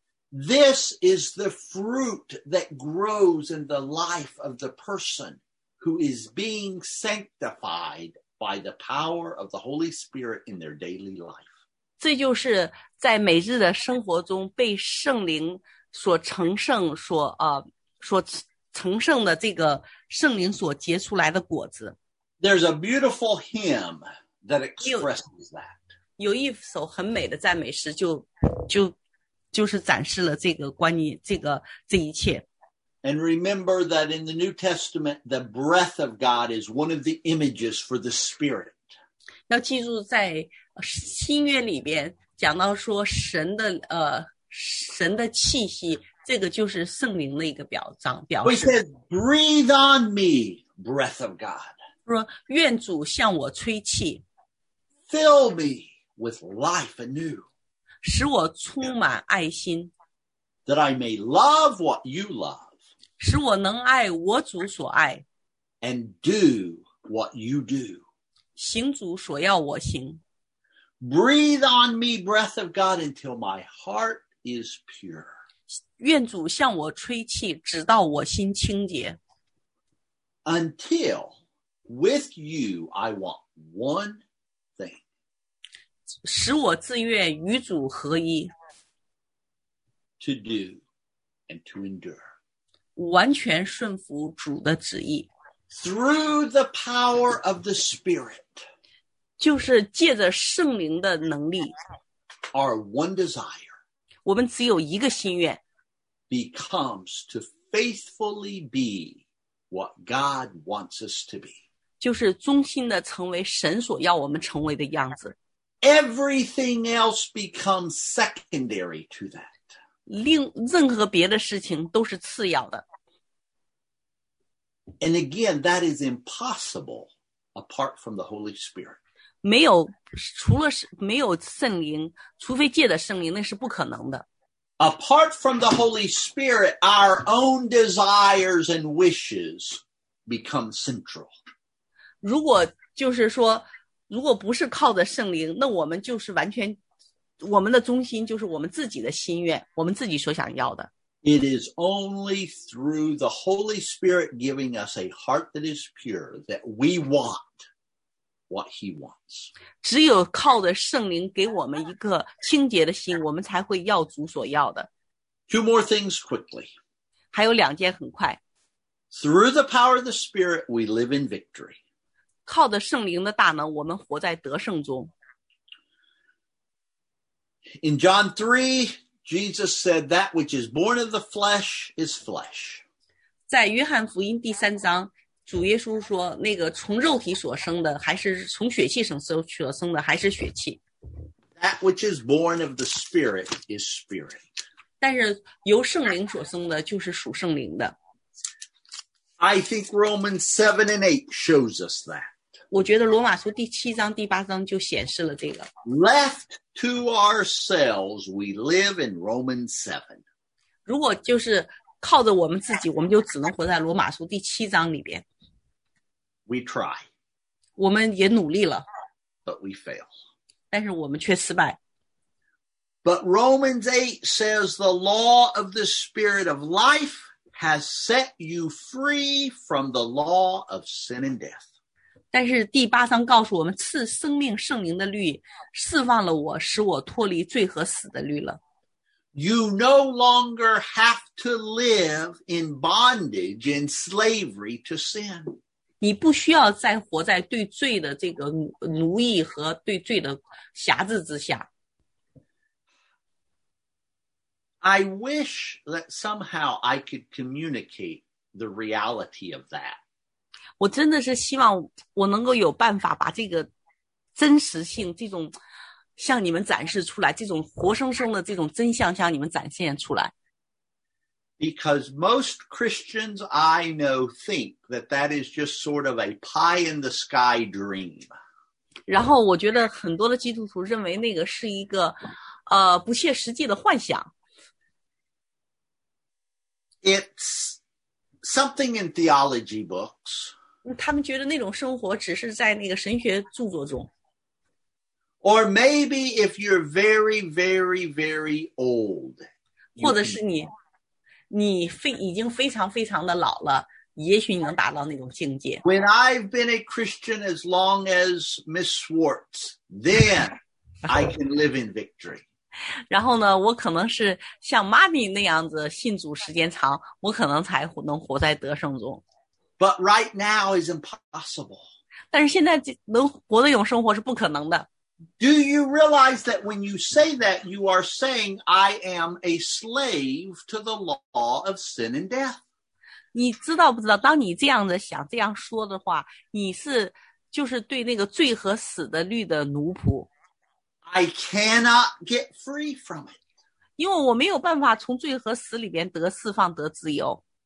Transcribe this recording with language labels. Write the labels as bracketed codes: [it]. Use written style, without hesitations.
[en] This is the fruit that grows in the life of the person who is being sanctified by the power of the Holy Spirit in their daily life. [zh] 这就是在每日的生活中被圣灵所成圣所、所成圣的这个圣灵所结出来的果子。 [en] There's a beautiful hymn that expresses that. [zh] 有一首很美的赞美诗就是展示了这个关于这一切。 [en] And remember that in the New Testament, the breath of God is one of the images for the Spirit. [zh] 要记住在新约里边讲到说神的气息，这个就是圣灵的一个表示。 [en] He said, breathe on me, breath of God. [zh] 说愿主向我吹气。 [en] Fill me with life anew. [zh] 使我充满爱心。 [en] That I may love what you love. [zh] 使我能爱我主所爱。 [en] And do what you do. [zh] 行主所要我行。 [en] Breathe on me, breath of God, until my heart is pure. [zh] 愿主向我吹气，直到我心清洁。 [en] Until with you, I want one. [zh] 使我自愿与主合一 [en] to do and to endure [zh] 完全顺服主的旨意 [en] through the power of the Spirit [zh] 就是借着圣灵的能力 [en] our one desire [zh] 我们只有一个心愿 [en] becomes to faithfully be what God wants us to be [zh] 就是忠心的成为神所要我们成为的样子 [en] Everything else becomes secondary to that. [zh] 任何别的事情都是次要的。 [en] And again, that is impossible apart from the Holy Spirit. [zh] 没有，除了没有圣灵，除非借着圣灵，那是不可能的。 [en] Apart from the Holy Spirit, our own desires and wishes become central. [zh] 如果就是说如果不是靠着圣灵，那我们就是完全，我们的中心就是我们自己的心愿，我们自己所想要的。 [en] It is only through the Holy Spirit giving us a heart that is pure that we want what He wants. [zh] 只有靠着圣灵给我们一个清洁的心，我们才会要主所要的。 [en] Two more things quickly. [zh] 还有两件很快。 [en] Through the power of the Spirit, we live in victory. [zh] 靠着圣灵的大能，我们活在得胜中。 [en] In John 3, Jesus said, that which is born of the flesh is flesh. [zh] 在约翰福音第三章，主耶稣说，那个从肉体所生的，还是从血气所生的，还是血气。 [en] That which is born of the Spirit is spirit. [zh] 但是由圣灵所生的，就是属圣灵的。 [en] I think Romans 7 and 8 shows us that. [zh] 我觉得罗马书第七章第八章就显示了这个。 [en] Left to ourselves, we live in Romans 7. [zh] 如果就是靠着我们自己，我们就只能活在罗马书第七章里边。 [en] We try. [zh] 我们也努力了。 [en] But we fail. [zh] 但是我们却失败。 [en] But Romans 8 says the law of the spirit of life has set you free from the law of sin and death. [zh] 但是第八章告诉我们赐生命圣灵的律释放了我使我脱离罪和死的律了。 [en] You no longer have to live in bondage and slavery to sin. [zh] 你不需要再活在对罪的这个奴役和对罪的辖制之下。 [en] I wish that somehow I could communicate the reality of that. [zh] 我真的是希望我能够有办法把这个真实性这种向你们展示出来，这种活生生的这种真相向你们展现出来。 [en] Because most Christians I know think that that is just sort of a pie in the sky dream. [zh] 然后我觉得很多的基督徒认为那个是一个不切实际的幻想。 [en] It's something in theology books. [zh] 他们觉得那种生活只是在那个神学著作中。 [en] Or maybe if you're very, very, very old. [zh] 或者是你已经非常非常的老了，也许你能达到那种境界。 [en] When I've been a Christian as long as Miss Swartz, then I can live in victory. [zh] 然后呢，我可能是像妈咪那样子信主时间长，我可能才能活在得胜中。 [en] But right now is impossible. [zh] 但是现在能活得永生活是不可能的。 [en] Do you realize that when you say that, you are saying, I am a slave to the law of sin and death? [zh] 你知道不知道，当你这样子想，这样说的话，你是就是对那个罪和死的律的奴仆。 [en] I cannot get free from it. [zh] 因为我没有办法从罪和死里边得释放，得自由。